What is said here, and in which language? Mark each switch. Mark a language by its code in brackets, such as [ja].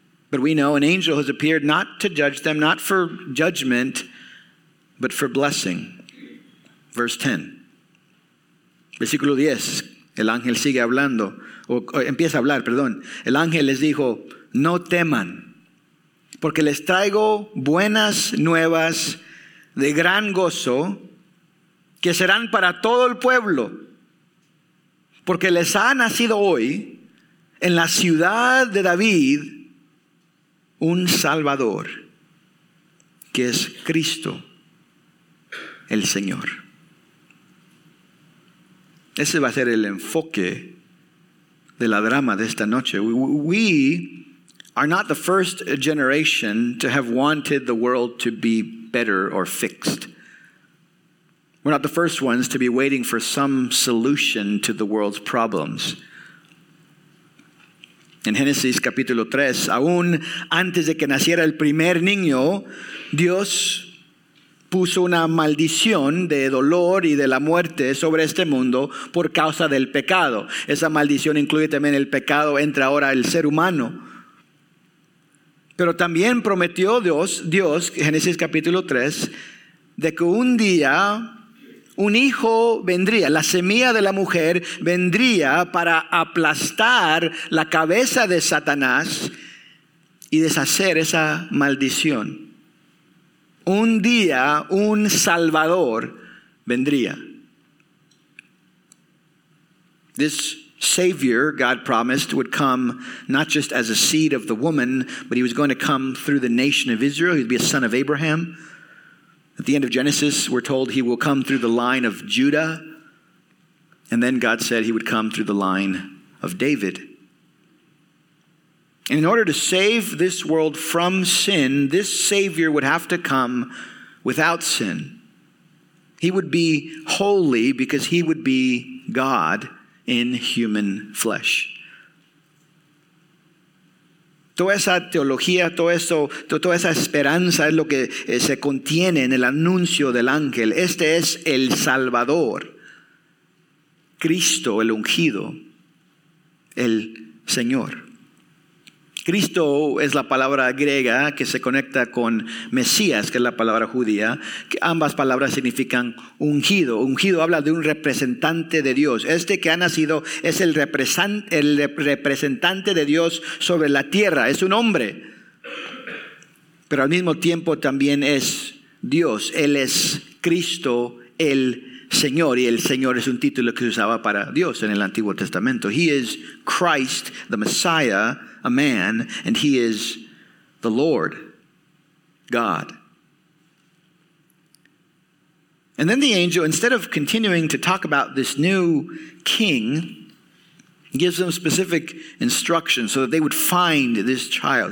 [en] But we know an angel has appeared not to judge them, not for judgment, but for blessing. Verse 10. [es] Versículo 10. El ángel sigue hablando. Empieza a hablar, perdón. El ángel les dijo, no teman, porque les traigo buenas nuevas de gran gozo que serán para todo el pueblo. Porque les ha nacido hoy en la ciudad de David un Salvador, que es Cristo el Señor. Ese va a ser el enfoque de la drama de esta noche. [en] We are not the first generation to have wanted the world to be better or fixed. We're not the first ones to be waiting for some solution to the world's problems. [es] En Génesis capítulo 3, aún antes de que naciera el primer niño, Dios puso una maldición de dolor y de la muerte sobre este mundo por causa del pecado. Esa maldición incluye también el pecado, entra ahora el ser humano. Pero también prometió Dios, Génesis capítulo 3, de que un día un hijo vendría, la semilla de la mujer vendría para aplastar la cabeza de Satanás y deshacer esa maldición. Un día un Salvador vendría. [en] This Savior, God promised, would come not just as a seed of the woman, but he was going to come through the nation of Israel. He'd be a son of Abraham. At the end of Genesis, we're told he will come through the line of Judah. And then God said he would come through the line of David. And in order to save this world from sin, this Savior would have to come without sin. He would be holy because he would be God in human flesh. [es] Toda esa teología, todo eso, toda esa esperanza es lo que se contiene en el anuncio del ángel. Este es el Salvador, Cristo el ungido, el Señor. Cristo es la palabra griega que se conecta con Mesías, que es la palabra judía, que ambas palabras significan ungido. Ungido habla de un representante de Dios. Este que ha nacido es el representante de Dios sobre la tierra, es un hombre. Pero al mismo tiempo también es Dios, Él es Cristo el Señor, y el Señor es un título que se usaba para Dios en el Antiguo Testamento. [en] He is Christ, the Messiah, a man, and he is the Lord, God. And then the angel, instead of continuing to talk about this new king, gives them specific instructions so that they would find this child.